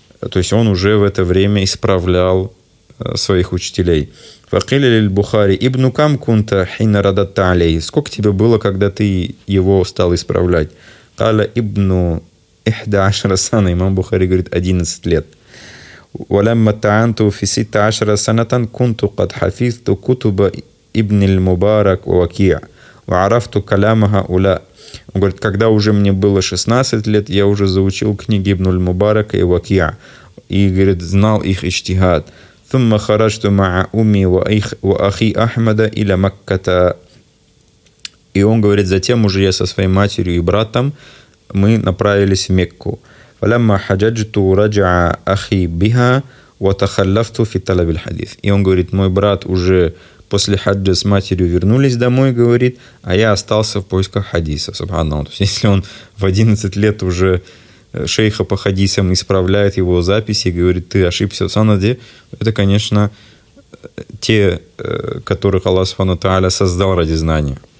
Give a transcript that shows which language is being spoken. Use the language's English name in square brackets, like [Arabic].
[Russian] То есть он уже в это время исправлял своих учителей. [Arabic] Факиля лиль-Бухари, ибну кам кунта хина радатта алей. [Russian] Сколько тебе было, когда ты его стал исправлять? [Arabic] Каля ибну ихда ашра сана. [Russian] Имам Бухари говорит, 11 лет. [Arabic] ولما تعنت في 16 سنة كنت قد حفظت كتب ابن المبارك وكيع وعرفت كلام هؤلاء. [Russian] Он говорит, когда уже мне было 16 лет, я уже заучил книги ابن المبارك и وكيع, и говорит, знал их иштихад. [Arabic] ثم خرجت مع أمي وأخي أحمد إلى مكة. [Russian] И он говорит, затем уже я со своей матерью и братом мы направились в Мекку. [Arabic] فلما حججت رجع أخي بها وتخلفت في طلب الحديث. [Russian] И он говорит, мой брат уже после хаджа с матерью вернулись домой, говорит, а я остался в поисках хадиса. Субханаллах. То есть если он в 11 лет уже шейха по хадисам исправляет его записи и говорит, ты ошибся в санаде, это, конечно, те, которых Аллах Субхану Тааля создал ради знания.